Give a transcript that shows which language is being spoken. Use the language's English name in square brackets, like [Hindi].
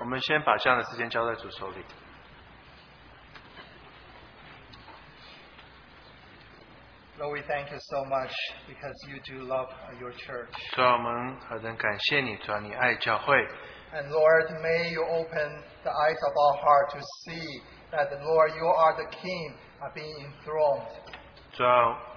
[Chinese] 我们先把这样的时间交在主手里。 [English] Lord, we thank you so much because you do love your church. [Chinese] 主啊，我们何等感谢你，主啊，你爱教会。 [English] And Lord, may you open the eyes of our heart to see that the Lord, you are the King, are being enthroned.